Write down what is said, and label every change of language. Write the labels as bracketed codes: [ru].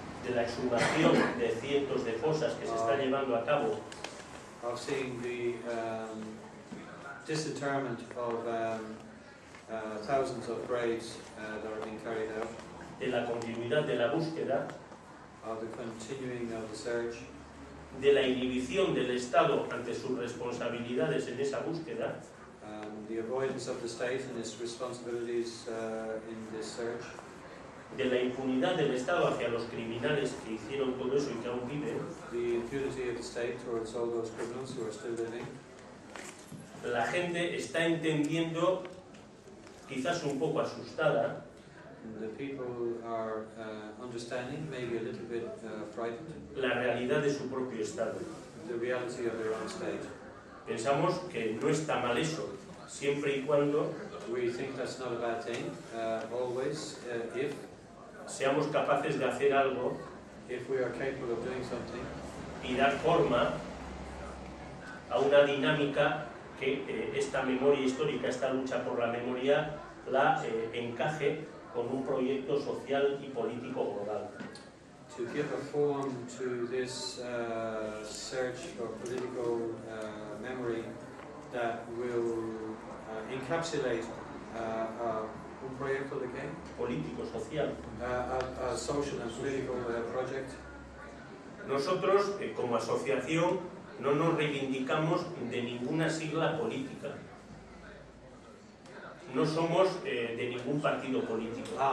[es] de la exhumación de cientos de fosas que se está llevando a cabo. [en] Of seeing the disinterment of thousands of graves that are being carried out. [es] De la continuidad de la búsqueda. [en] Of the continuing of the search. [es] De la inhibición del Estado ante sus responsabilidades en esa búsqueda. [en] The avoidance of the state and its responsibilities in this search. [es] de la impunidad del Estado hacia los criminales que hicieron todo eso y que aún viven. [en] The impunity of the state towards all those criminals who are still living. [es] La gente está entendiendo, quizás un poco asustada. [en] The people are understanding, maybe a little bit frightened. [es] La realidad de su propio Estado. [en] The reality of their own state. [es] Pensamos que no está mal eso, siempre y cuando. [en] We think that's not a bad thing, always, if. [es] Seamos capaces de hacer algo. [en] If we are capable of doing something. [es] Y dar forma a una dinámica que esta memoria histórica, esta lucha por la memoria, la encaje con un proyecto social y político global. [en] To give a form to this search for political memory that will encapsulate [es] un proyecto de qué? Político, social. [en] A social and political project. [es] Nosotros, como asociación, no nos reivindicamos de ninguna sigla política. No somos de ningún partido político.